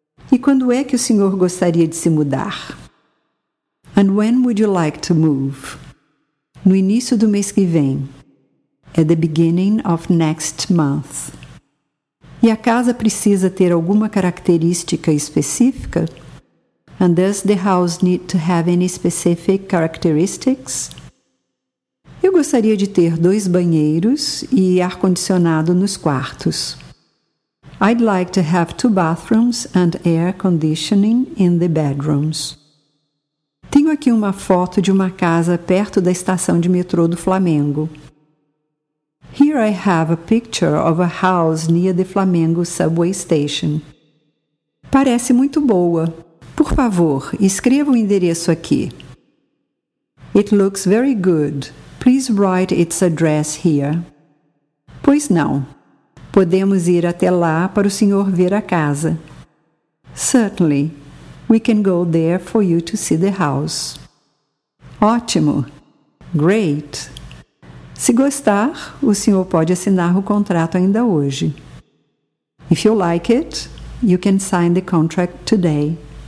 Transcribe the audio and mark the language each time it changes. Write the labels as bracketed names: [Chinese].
[Portuguese] E quando é que o senhor gostaria de se mudar? [English] And when would you like to move? [Portuguese] No início do mês que vem. [English] At the beginning of next month. [Portuguese] E a casa precisa ter alguma característica específica? [English] And does the house need to have any specific characteristics? [Portuguese] Eu gostaria de ter 2 banheiros e ar-condicionado nos quartos. [English] I'd like to have 2 bathrooms and air conditioning in the bedrooms. [Portuguese] Tenho aqui uma foto de uma casa perto da estação de metrô do Flamengo. [English] Here I have a picture of a house near the Flamengo subway station. [Portuguese] Parece muito boa. Por favor, escreva o endereço aqui. [English] It looks very good. Please write its address here. [Portuguese] Pois não. Podemos ir até lá para o senhor ver a casa. [English] Certainly. We can go there for you to see the house. [Portuguese] Ótimo. [English] Great. [Portuguese] Se gostar, o senhor pode assinar o contrato ainda hoje. [English] If you like it, you can sign the contract today.